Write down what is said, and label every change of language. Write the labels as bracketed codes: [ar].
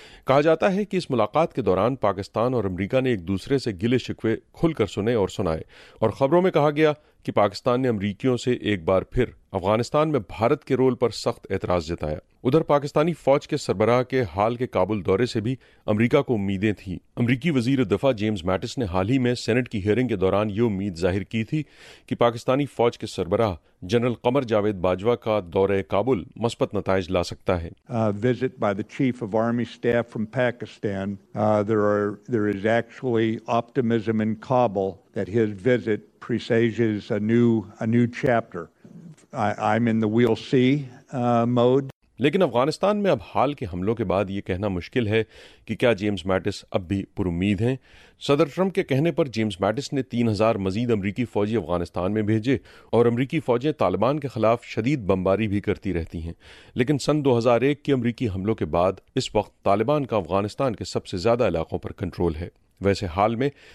[ur] کہا جاتا ہے کہ اس ملاقات کے دوران پاکستان اور امریکہ نے ایک دوسرے سے گلے شکوے کھل کر سنے اور سنائے، اور خبروں میں کہا گیا کہ پاکستان نے امریکیوں سے ایک بار پھر افغانستان میں بھارت کے رول پر سخت اعتراض جتایا۔ ادھر پاکستانی فوج کے سربراہ کے حال کے کابل دورے سے بھی امریکہ کو امیدیں تھیں۔ امریکی وزیر دفاع جیمز میٹس نے حال ہی میں سینٹ کی ہیئرنگ کے دوران یہ امید ظاہر کی تھی کہ پاکستانی فوج کے سربراہ جنرل قمر جاوید باجوہ کا دورے کابل مثبت نتائج لا سکتا ہے۔ [en] Visit by the chief of army staff from Pakistan. There is actually optimism in Kabul that his visit presages a new chapter. I'm in the we'll see mode. [ur] لیکن افغانستان میں اب حال کے حملوں کے بعد یہ کہنا مشکل ہے کہ کیا جیمز میٹس اب بھی پر امید ہیں۔ صدر ٹرمپ کے کہنے پر جیمز میٹس نے 3,000 مزید امریکی فوجی افغانستان میں بھیجے، اور امریکی فوجیں طالبان کے خلاف شدید بمباری بھی کرتی رہتی ہیں، لیکن سن 2001 کے امریکی حملوں کے بعد اس وقت طالبان کا افغانستان کے سب سے زیادہ علاقوں پر کنٹرول ہے۔ ویسے حال میں